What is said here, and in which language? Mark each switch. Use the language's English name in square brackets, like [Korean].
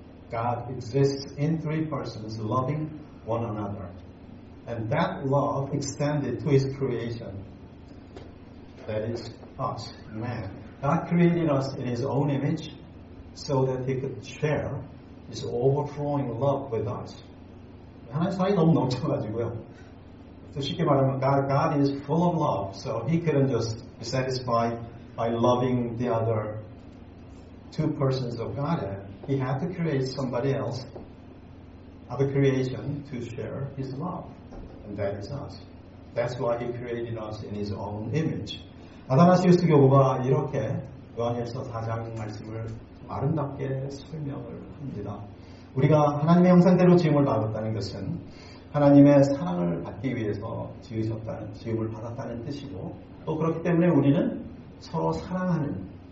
[English] God exists in three persons loving one another. And that love extended to his creation. That is us, man. God created us in his own image so that he could share his overflowing love with us. [Korean] 하나님 사랑이 너무 넘쳐가지고요. 또 쉽게 말하면 [English] God is full of love, so he couldn't just be satisfied by loving the other two persons of Godhead. He had to create somebody else, other creation, to share his love. And that is us. That's why he created us in his own image. [Korean] 아다나시우스 교부가 이렇게 요한일서 4장 말씀을 아름답게 설명을 합니다. 우리가 하나님의 형상대로 지음을 받았다는 것은 하나님의 사랑을 받기 위해서 지으셨다는, 지음을 받았다는 뜻이고, 또 그렇기 때문에 우리는 서로 사랑하는